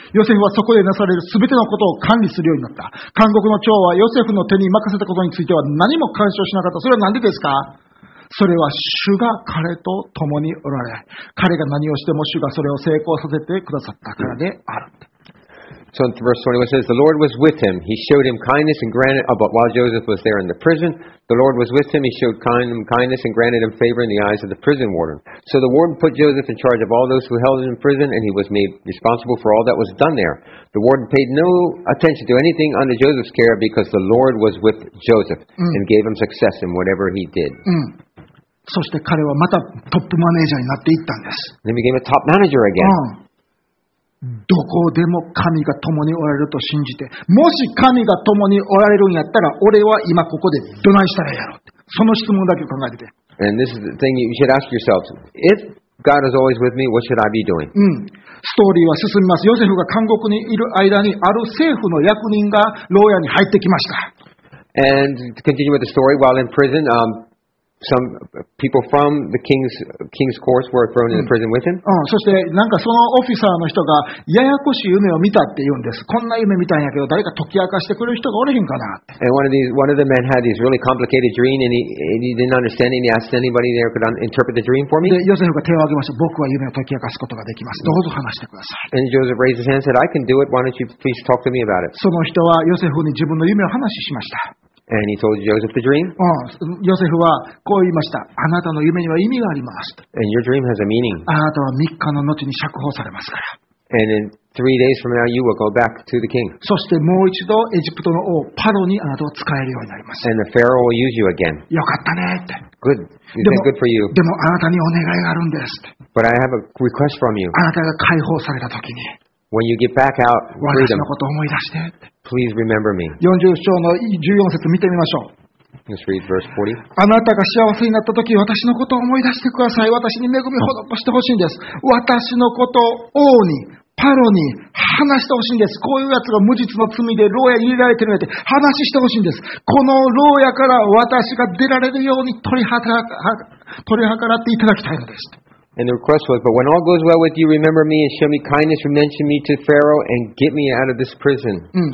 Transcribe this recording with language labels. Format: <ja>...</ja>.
<ja>ヨセフはそこでなされるすべてのことを管理するようになった。監獄の長はヨセフの手に任せたことについては何も干渉しなかった。それは何でですか？それは主が彼と共におられ、彼が何をしても主がそれを成功させてくださったからである。</ja> <en>So in verse 21 says, the Lord was with him. He showed him kindness and granted. But while Joseph was there in the prison, the Lord was with him. He showed kindness and granted him favor in the eyes of the prison warden. So the warden put Joseph in charge of all those who held him in prison, and he was made responsible for all that was done there. The warden paid no attention to anything under Joseph's care because the Lord was with Joseph and gave him success in whatever he did.</en> <ja>そして彼はまたトップマネージャーになっていったんです。</ja> <en>Then he became a top manager again.</en> <ja>どこでも神が共におられると信じて、もし神が共におられるんやったら、俺は今ここでどないしたらやろう。その質問だけを考えてて。</ja> <en>And this is the thing you should ask yourself. If God is always with me, what should I be doing?</en> <ja>ストーリーは進みます。ヨセフが監獄にいる間に、ある政府の役人が牢屋に入ってきました。</ja> <en>And to continue with the story, while in prison, some people from the king's court were thrown into prison with him.</en> <ja>そしてなんかそのオフィサーの人がややこしい夢を見たって言うんです。こんな夢見たんやけど誰か解き明かしてくれる人がおれへんかな。</ja> <en>And one of the men had these really complicated dream and he didn't understand and he asked anybody there could interpret the dream for me.</en> <ja>ヨセフが手を挙げました。僕は夢を解き明かすことができます。どうぞ話してください。</ja> <en>And Joseph raised his hand and said, I can do it. Why don't you please talk to me about it?</en> <ja>その人はヨセフに自分の夢を話しました。</ja> <en>And he told Joseph the dream.</en> <ja>ヨセフはこう言いました。あなたの夢には意味があります。</ja> <en>And your dream has a meaning.</en> <ja>あなたは3日の後に釈放されますから。</ja> <en>And in 3 days from now, you will go back to the king.</en> <ja>そしてもう一度エジプトの王パロにあなたを使えるようになります。</ja> <en>And the Pharaoh will use you again.</en> <ja>よかったねって。</ja> <en>Good. You did good for you.</en> <ja>でもあなたにお願いがあるんです。</ja> <en>But I have a request from you.</en> <ja>あなたが解放された時に。</ja> <en>When you get back out, freedom.</en> <ja>私のことを思い出して。</ja> <en>Please remember me.</en> <ja>40章の14節見てみましょう。</ja> <en>Let's read verse 40.</en> <ja>あなたが幸せになったとき、私のことを思い出してください。私に恵みを施してほしいんです。私のことを王に、パロに話してほしいんです。こういうやつが無実の罪で牢屋に入れられてるって話してほしいんです。この牢屋から私が出られるように取り計らっていただきたいのです。</ja> <en>And the request was, but when all goes well with you, remember me and show me kindness, mention me to Pharaoh and get me out of this prison.</en>